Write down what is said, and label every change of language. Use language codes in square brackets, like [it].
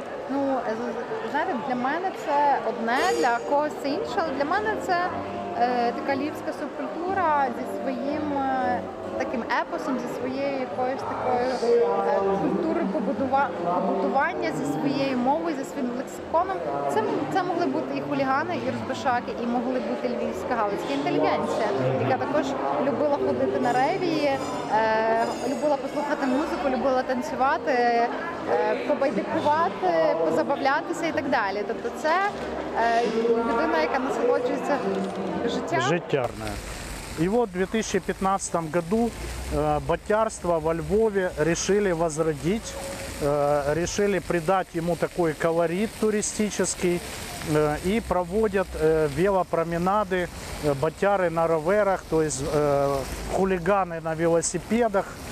[ru] Ну, знаете, для меня это одно, для кого-то это другое, для меня это такая львовская субкультура со своим таким эпосом, со своей якоюсь такой культурой побудування, со своей мовой, со своим лексиконом. [uk] Це могли бути і хулігани, і розбишаки, і могли бути львівська галицька інтелігенція, яка також любила ходити на рейві, любила послухати музику, любила танцювати, побайдикувати, позабавлятися і так далі. Тобто це людина, яка насолоджується життям. [ru] И вот в 2015 году батярство во Львове решили возродить, решили придать ему такой колорит туристический и проводят велопроменады батяры на роверах, то есть хулиганы на велосипедах.